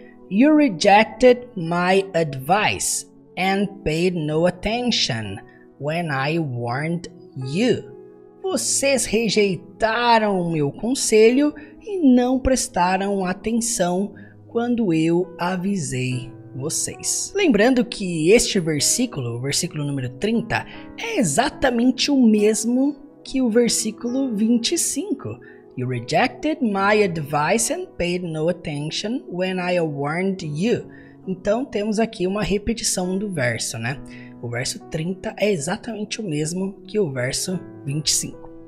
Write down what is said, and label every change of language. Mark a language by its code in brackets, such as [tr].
[en] You rejected my advice and paid no attention when I warned you. [pt] Vocês rejeitaram o meu conselho e não prestaram atenção quando eu avisei vocês. Lembrando que este versículo, o versículo número 30, é exatamente o mesmo que o versículo 25. [en] You rejected my advice and paid no attention when I warned you. [pt] Então, temos aqui uma repetição do verso, né? O verso 30 é exatamente o mesmo que o verso 25.